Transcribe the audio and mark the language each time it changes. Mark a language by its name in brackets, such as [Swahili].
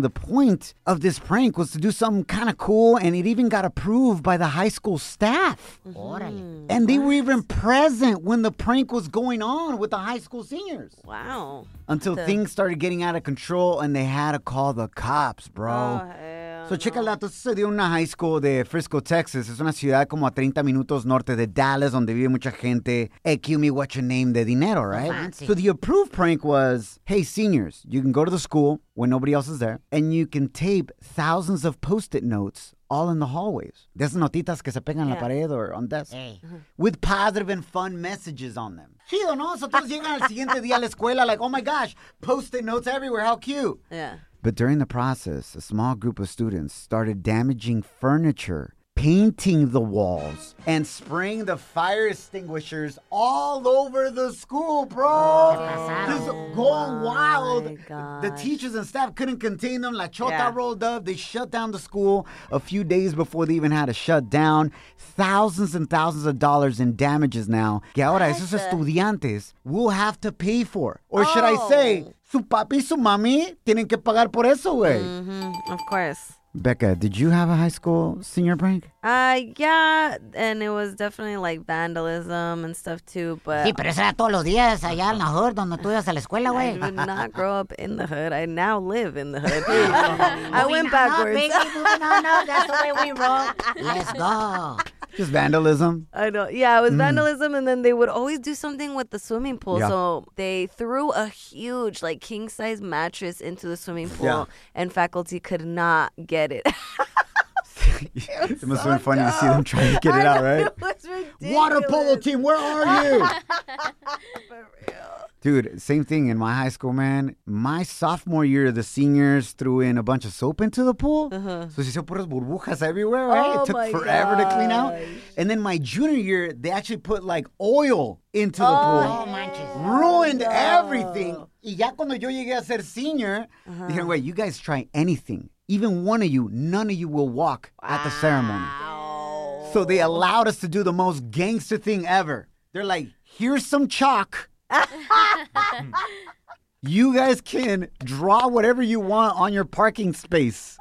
[English] The point of this prank was to do something kind of cool, and it even got approved by the high school staff. [Spanish] Orale. [English] And they were even present when the prank was going on with the high school seniors. Wow. Until things started getting out of control, and they had to call the cops, bro. Oh, hey. So, check it out. [Spanish] Esto sucedió en una high school de Frisco, Texas. Es una ciudad como a 30 minutos norte de Dallas, donde vive mucha gente. Hey, cue me what your name de dinero, right? [English] Fancy. So, the approved prank was, hey, seniors, you can go to the school when nobody else is there, and you can tape thousands of post-it notes all in the hallways. [Spanish] De esas notitas que se pegan en la pared [English] or on desk. Hey. With positive and fun messages on them. [Spanish] Chido, ¿no? [English] So, [Spanish] todos llegan al siguiente día a la escuela [English] like, oh my gosh, post-it notes everywhere. How cute. Yeah. But during the process, a small group of students started damaging furniture, painting the walls, and spraying the fire extinguishers all over the school, bro. Just going wild. The teachers and staff couldn't contain them. La chota rolled up. They shut down the school a few days before they even had to shut down. Thousands and thousands of dollars in damages now. [Spanish] Que ahora esos estudiantes [English] will have to pay for. Or should I say, [Spanish] su papi y su mami tienen que pagar por eso, güey. [English] Mm-hmm. Of course. Becca, did you have a high school senior prank? Yeah, and it was definitely like vandalism and stuff too, but... [Spanish] Sí, pero eso era todos los días allá en la hood donde tú ibas a la escuela, güey. [English] I did not grow up in the hood. I now live in the hood. I went backwards. Moving on up, that's the way we roll. Let's go. Just vandalism. I know. Yeah, it was vandalism, and then they would always do something with the swimming pool. Yeah. So they threw a huge, like, king-size mattress into the swimming pool, yeah. And faculty could not get it. It must have been funny to see them trying to get it out, right? It was ridiculous. Water polo team, where are you? For real. Dude, same thing in my high school, man. My sophomore year, the seniors threw in a bunch of soap into the pool. Uh-huh. So she said, [Spanish] puras burbujas [English] everywhere, right? Oh, it took forever gosh. To clean out. And then my junior year, they actually put like oil into the pool. [Spanish] Oh, manches. [English] Ruined everything. [Spanish] Y ya cuando yo llegué a ser senior, uh-huh. [English] Dije, wait, you guys try anything. Even one of you, none of you will walk wow. at the ceremony. So they allowed us to do the most gangster thing ever. They're like, here's some chalk. You guys can draw whatever you want on your parking space.